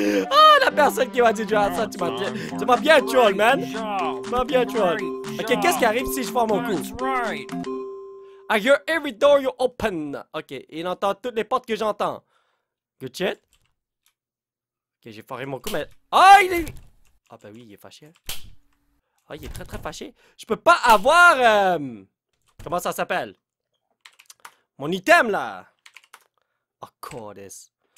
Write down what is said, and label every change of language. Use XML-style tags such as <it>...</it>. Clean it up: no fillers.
<fr>Ah, la personne qui m'a dit de faire ça, tu m'as bien troll, man! Tu m'as bien troll! Ok, qu'est-ce qui arrive si je fais mon coup?</fr> <en>I hear every door you open!</en> <fr>Ok, il entend toutes les portes que j'entends.</fr> <en>Good shit?</en> <fr>Ok, j'ai foiré mon coup, mais. Ah, il est. Ah, ben oui, il est fâché. Ah, il est très très fâché. Je peux pas avoir. Comment ça s'appelle? Mon item là! Oh, Cordis.</fr>